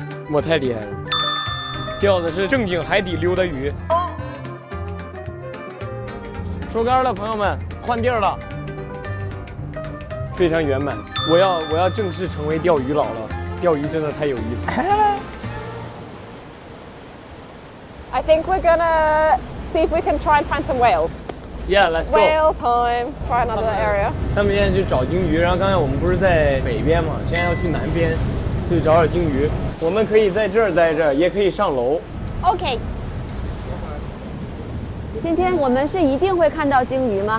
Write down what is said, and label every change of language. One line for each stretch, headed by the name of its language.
Chinese: 我太厉害了，钓的是正经海底溜达鱼。收竿了，朋友们，换地儿了。非常圆满，我要正式成为钓鱼佬了。钓鱼真的太有意思了。
English: I think we're gonna see if we can try and find some whales. Yeah, let's go. Whale time. Try another area.
Chinese: 他们现在去找鲸鱼，然后刚才我们不是在北边吗？现在要去南边，去找点鲸鱼。我们可以在这儿待着，也可以上楼。
English: OK.
Chinese: 今天我们是一定会看到鲸鱼吗？